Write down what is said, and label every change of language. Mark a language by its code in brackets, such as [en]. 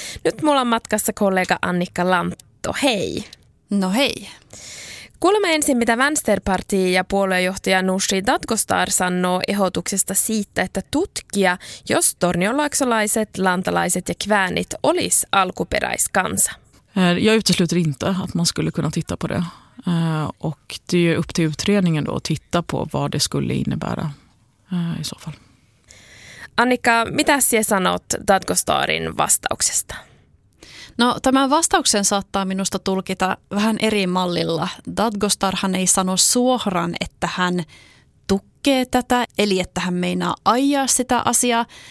[fi] Nyt mulla on matkassa kollega Annika Lantto, hei. No hei. Kuulemma ensin, mitä Vänsterpartiin ja puoluejohtaja Nushi Dadgostar sanoo ehdotuksesta siitä, että tutkia, jos tornionlaaksolaiset, lantalaiset ja kväänit olisi alkuperäiskansa. [sv] Jag utesluter inte att man skulle kunna titta på det. Och det är upp till utredningen då att titta på vad det skulle innebära i så fall. [fi] Annika, mitä sinä sanot Dadgostarin vastauksesta? No, tämän vastauksen saattaa minusta tulkita vähän eri mallilla. Dadgostarhan ei sano suoraan, että hän tukee tätä, eli että hän meinaa ajaa sitä asiaa.